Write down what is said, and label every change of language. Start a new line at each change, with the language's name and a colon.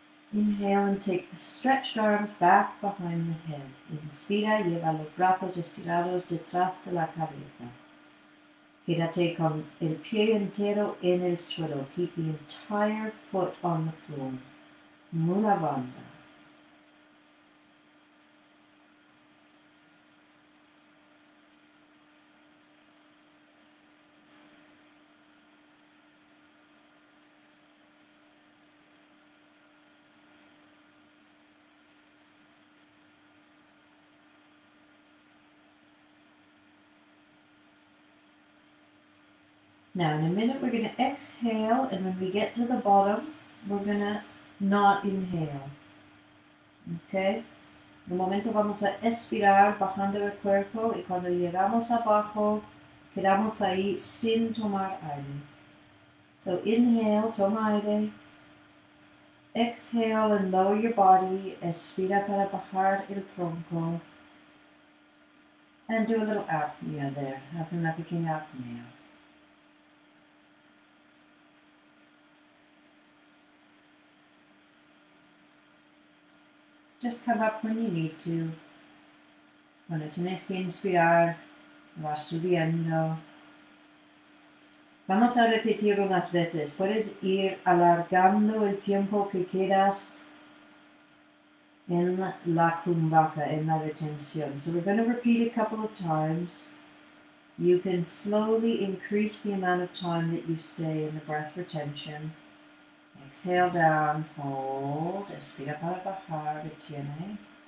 English: Inhale and take the stretched arms back behind the head.
Spanish: Inspira, lleva los brazos estirados detrás de la cabeza. Quédate con el pie entero en el suelo.
English: Keep the entire foot on the floor. Mula Bandha. Now in a minute we're going to exhale, and when we get to the bottom, we're going to not inhale, okay?
Spanish: En un momento vamos a expirar bajando el cuerpo, y cuando llegamos abajo, quedamos ahí sin tomar aire.
English: So inhale,
Spanish: toma aire.
English: Exhale and lower your body.
Spanish: Expira para bajar el tronco.
English: And do a little apnea there, have a pequeña apnea. Just come up when you need to.
Spanish: Cuando tienes que inspirar, vas subiendo. Vamos a repetirlo unas veces. Puedes ir alargando el tiempo que quedas en la kumbhaka, en la retención.
English: So we're going to repeat a couple of times. You can slowly increase the amount of time that you stay in the breath retention. Exhale down, hold,
Spanish: expira para bajar, retiene.